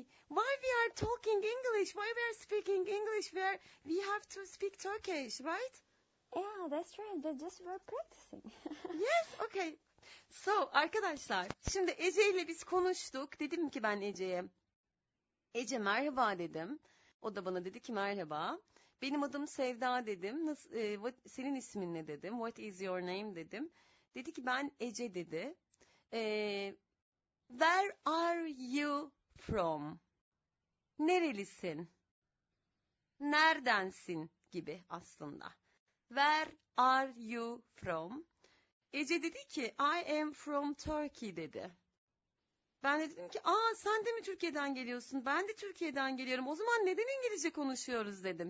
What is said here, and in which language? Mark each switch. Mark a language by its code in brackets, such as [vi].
[en] Why we are talking English? Why we are speaking English? We have to speak Turkish, right? Yeah, that's right. But just we're practicing. Yes, okay. [tr] So, arkadaşlar, şimdi Ece ile biz konuştuk. Dedim ki ben Ece'ye, Ece merhaba dedim. O da bana dedi ki merhaba. Benim adım Sevda dedim. Senin ismin ne dedim. [en] What is your name [tr] dedim. Dedi ki ben Ece dedi. [en] Where are you from? [tr] Nerelisin? Neredensin gibi aslında. [en] Where are you from? [tr] Ece dedi ki [en] I am from Turkey [tr] dedi. Ben de dedim ki aa sen de mi Türkiye'den geliyorsun? Ben de Türkiye'den geliyorum. O zaman neden İngilizce konuşuyoruz dedim.